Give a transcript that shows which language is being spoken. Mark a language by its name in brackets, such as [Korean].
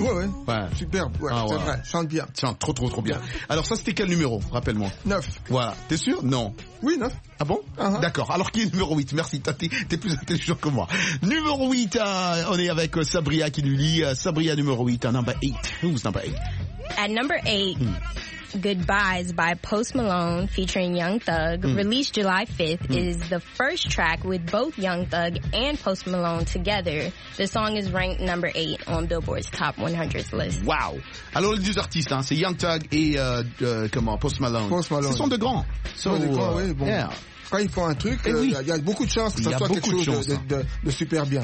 [French] Ouais. Superbe, ouais, ah, c'est ouais. Vrai. Chante bien. Chante trop bien. Alors, ça, c'était quel numéro, rappelle-moi? 9. Voilà. T'es sûr? Non. Oui, 9. Ah bon? Uh-huh. D'accord. Alors, qui est numéro 8? Merci. T'es plus intelligent que moi. Numéro 8, on est avec Sabria qui nous lit. [English] Sabria, [French] numéro 8, [English] number 8. Who's number 8? At number 8. Goodbyes by Post Malone featuring Young Thug, released July 5th, is the first track with both Young Thug and Post Malone together. The song is ranked number 8 on Billboard's Top 100 list. Wow. [French] Alors les deux artistes, hein, c'est Young Thug et Post Malone. Post Malone. Ce sont de grands. Quand ils font un truc, il y a beaucoup de chance que ça soit quelque chose de super bien.